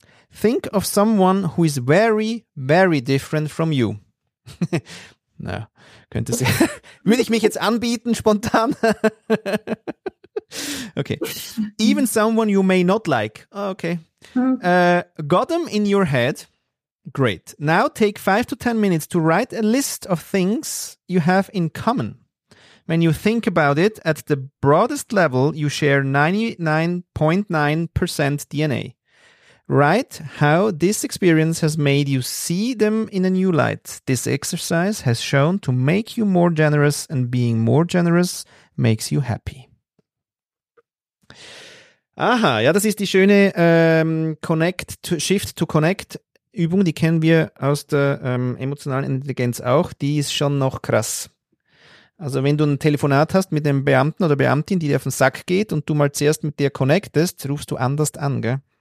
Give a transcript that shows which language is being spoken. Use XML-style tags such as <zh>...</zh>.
<en>Think of someone who is very, very different from you.</en> <de>Na, könnte sie. Würde ich mich jetzt anbieten, spontan? Okay.</de> <en>Even someone you may not like. Okay. Got them in your head. Great. Now take 5 to 10 minutes to write a list of things you have in common. When you think about it, at the broadest level, you share 99.9% DNA. Write how this experience has made you see them in a new light. This exercise has shown to make you more generous, and being more generous makes you happy.</en> <de>Aha, ja, das ist die schöne Shift-to-Connect-Übung. Die kennen wir aus der emotionalen Intelligenz auch. Die ist schon noch krass. Also wenn du ein Telefonat hast mit einem Beamten oder Beamtin, die dir auf den Sack geht und du mal zuerst mit dir connectest, rufst du anders an, gell?</de>